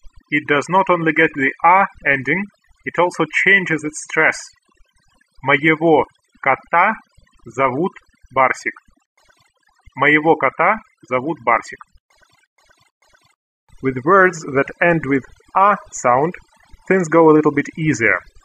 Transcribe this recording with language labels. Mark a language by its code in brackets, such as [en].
[en] It does not only get the а ending, it also changes its stress. [ru] Моего кота зовут Барсик. Моего кота зовут Барсик. [en] With words that end with а sound, things go a little bit easier.